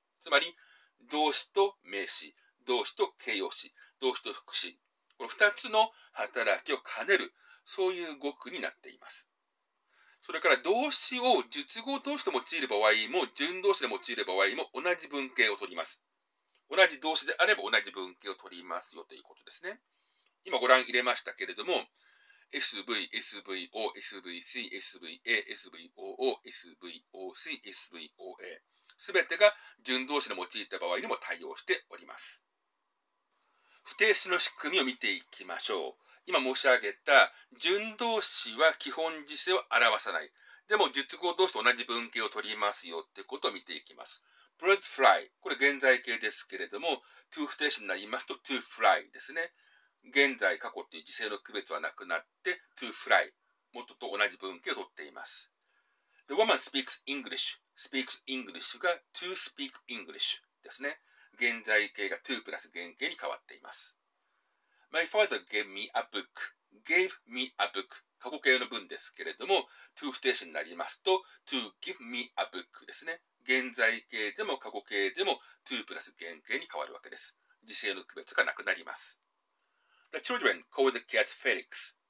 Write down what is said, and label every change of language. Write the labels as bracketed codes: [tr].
[ja] つまり動詞と名詞、動詞と形容詞、動詞と副詞、この2つの働きを兼ねる、そういう語句になっています。それから動詞を述語動詞と用いる場合も、準動詞で用いる場合も同じ文型を取ります。同じ動詞であれば同じ文型を取りますよということですね。今ご覧入れましたけれども、SV, SVO, SVC, SVA, SVOO, SVOC, SVOA。すべてが準動詞で用いた場合にも対応しております。不定詞の仕組みを見ていきましょう。今申し上げた準動詞は基本時制を表さない。でも述語動詞と同じ文型を取りますよってことを見ていきます。 [en] Birds fly。 [ja] これ現在形ですけれども、to 不定詞になりますと to fly ですね。現在、過去っていう時制の区別はなくなって、to fly、元と同じ文型を取っています。 [en] The woman speaks English. Speaks English が to speak English ですね。 [ja] 現在形が to プラス原形に変わっています。 [en] My father gave me a book. Gave me a book. [ja] 過去形の文ですけれども、to 不定詞になりますと、 [en] to give me a book [ja] ですね。現在形でも過去形でも to プラス原形に変わるわけです。時制の区別がなくなります。 [en] The children call the cat Felix.